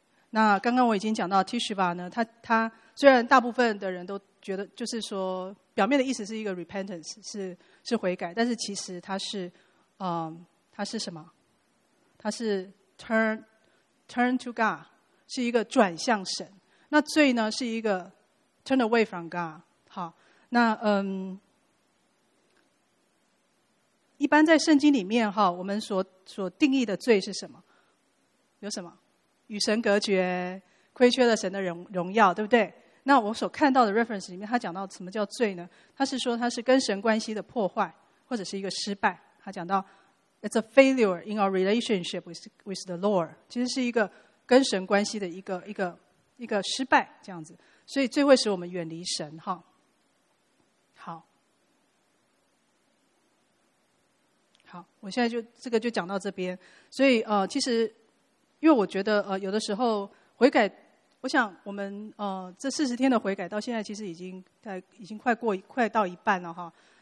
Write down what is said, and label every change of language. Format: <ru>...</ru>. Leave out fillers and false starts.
<zh>那刚刚我已经讲到 Tishba 呢，他虽然大部分的人都觉得就是说。表面的意思是一个 repentance， 是悔改，但是其实它是什么？它是</zh> <en>turn to God，</en> <zh>是一个转向神。那罪呢，是一个</zh> <en>turn away from God。</en> <zh>好，那一般在圣经里面哈，我们所定义的罪是什么？有什么？与神隔绝，亏缺了神的荣耀，对不对？那我所看到的 reference 里面，他讲到什么叫罪呢？他是说他是跟神关系的破坏，或者是一个失败。他讲到</zh> <en>It's a failure in our relationship with the Lord.</en> <zh>其实是一个跟神关系的一个失败，这样子。所以最会使我们远离神，哈。好，我现在就这个就讲到这边。所以其实因为我觉得有的时候悔改，我想我们这四十天的悔改到现在其实已经快到一半了哈。</zh>